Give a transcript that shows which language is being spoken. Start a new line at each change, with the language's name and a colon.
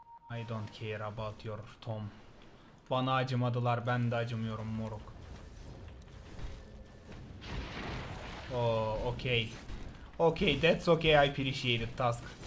English: I don't care about your Tom.
Turkish: Bana acımadılar, ben de acımıyorum moruk.
English: Oh, okay. Okay, that's okay, I appreciate it, task.